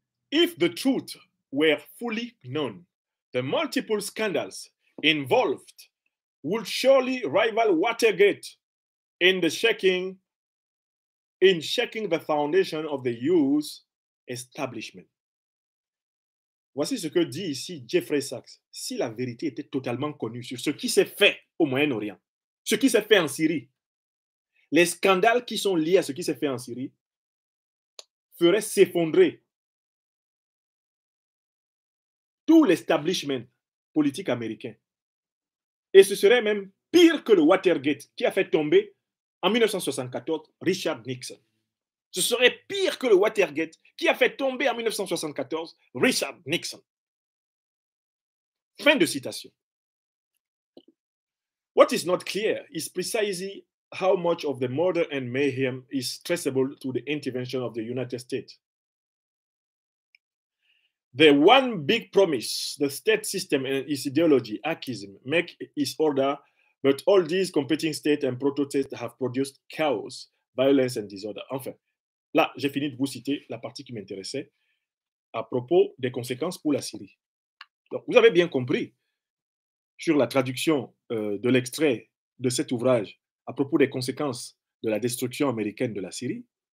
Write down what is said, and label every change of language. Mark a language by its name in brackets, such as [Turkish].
[English] If the truth were fully known, the multiple scandals involved would surely rival Watergate in shaking the foundation of the U.S. [French] establishment. Voici ce que dit ici Jeffrey Sachs. Si la vérité était totalement connue sur ce qui s'est fait au Moyen-Orient, ce qui s'est fait en Syrie, les scandales qui sont liés à ce qui s'est fait en Syrie feraient s'effondrer tout l'establishment politique américain. Et ce serait même pire que le Watergate qui a fait tomber en 1974 Richard Nixon. Ce serait pire que le Watergate qui a fait tomber en 1974 Richard Nixon. Fin de citation. [English] What is not clear is precisely how much of the murder and mayhem is traceable to the intervention of the United States. The one big promise, the state system and its ideology, archism, make its order, but all these competing states and proto-states have produced chaos, violence and disorder. [French] Enfin, là, j'ai fini de vous citer la partie qui m'intéressait à propos des conséquences pour la Syrie. Donc, vous avez bien compris sur la traduction de l'extrait de cet ouvrage à propos des conséquences de la destruction américaine de la Syrie.